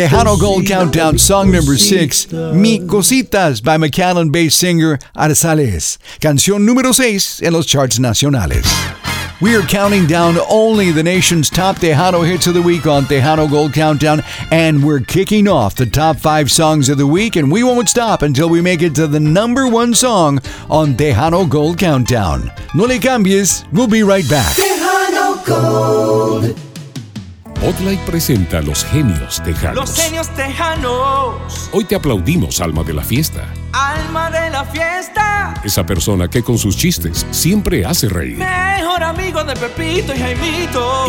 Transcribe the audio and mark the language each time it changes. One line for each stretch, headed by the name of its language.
English: Tejano Gold Countdown, song number 6, Mi Cositas, by McAllen-based singer Arzales.
Spanish: Canción número 6 en los charts nacionales.
English: We are counting down only the nation's top Tejano hits of the week on Tejano Gold Countdown, and we're kicking off the top 5 songs of the week, and we won't stop until we make it to the number 1 song on Tejano Gold Countdown.
Spanish: No le cambies,
English: we'll be right back. Tejano Gold.
Spanish: Botlight presenta los genios tejanos. Los genios tejanos. Hoy te aplaudimos, alma de la fiesta. Alma de la fiesta. Esa persona que con sus chistes siempre hace reír. Mejor amigo de Pepito y Jaimito.